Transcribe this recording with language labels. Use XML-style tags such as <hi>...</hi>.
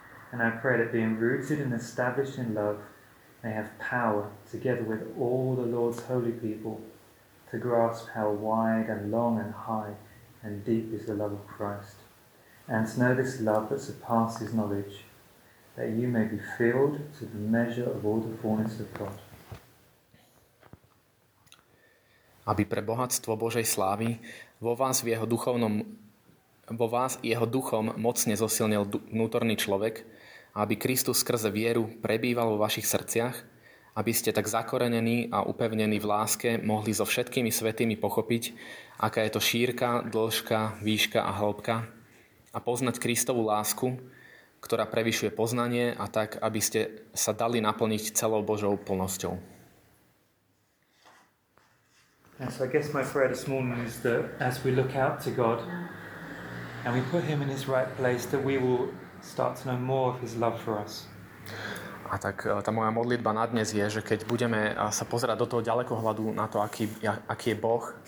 <en>And I pray that being rooted and established in love, may have power, together with all the Lord's holy people, to grasp how wide and long and high and deep is the love of Christ, and to know this love that surpasses knowledge, that you may be filled to the measure of all the fullness of God.</en> <sk>Aby pre bohatstvo Božej slávy vo vás jeho duchom mocne zosilnil vnútorný človek, aby Kristus skrze vieru prebýval vo vašich srdciach, aby ste tak zakorenení a upevnení v láske mohli so všetkými svätými pochopiť, aká je to šírka, dĺžka, výška a hĺbka, a poznať Kristovu lásku, ktorá prevyšuje poznanie, a tak, aby ste sa dali naplniť celou Božou plnosťou.</sk> <en>So I guess my prayer this morning is that as we look out to God and we put him in his right place, that we will start to know more of his love for us.</en> <sk>A tak tá moja modlitba na dnes je, že keď budeme sa pozerať do toho ďalekohľadu na to, aký je Boh,</sk>